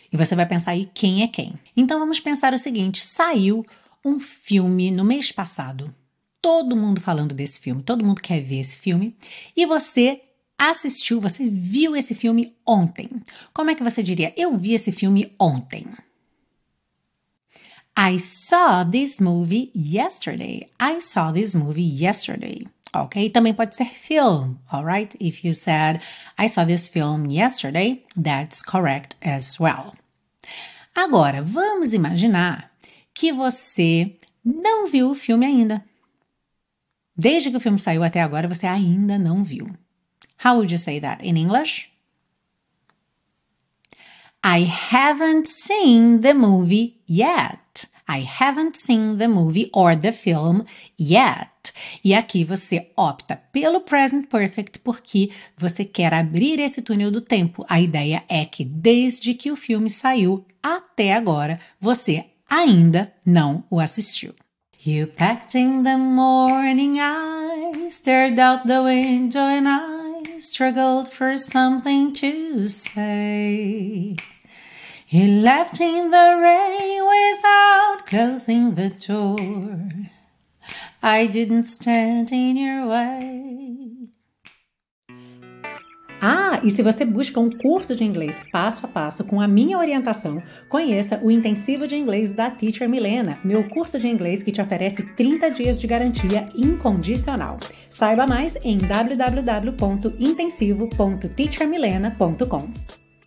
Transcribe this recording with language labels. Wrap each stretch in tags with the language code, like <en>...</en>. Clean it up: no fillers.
<pt>E você vai pensar aí quem é quem. Então, vamos pensar o seguinte, saiu um filme no mês passado. Todo mundo falando desse filme, todo mundo quer ver esse filme. E você assistiu, você viu esse filme ontem. Como é que você diria? Eu vi esse filme ontem.</pt> <en>I saw this movie yesterday. I saw this movie yesterday. Ok?</en> <pt>Também pode ser film,</pt> <en>alright? If you said, I saw this film yesterday, that's correct as well.</en> <pt>Agora, vamos imaginar que você não viu o filme ainda. Desde que o filme saiu até agora, você ainda não viu.</pt> <en>How would you say that in English? I haven't seen the movie yet. I haven't seen the movie or the film yet.</en> <pt>E aqui você opta pelo present perfect porque você quer abrir esse túnel do tempo. A ideia é que desde que o filme saiu até agora, você ainda não o assistiu.</pt> <en>You packed in the morning, I stared out the window and I struggled for something to say. He left in the rain without closing the door. I didn't stand in your way.</en> <pt>Ah, e se você busca um curso de inglês passo a passo com a minha orientação, conheça o Intensivo de Inglês da Teacher Milena, meu curso de inglês que te oferece 30 dias de garantia incondicional. Saiba mais em www.intensivo.teachermilena.com.</pt>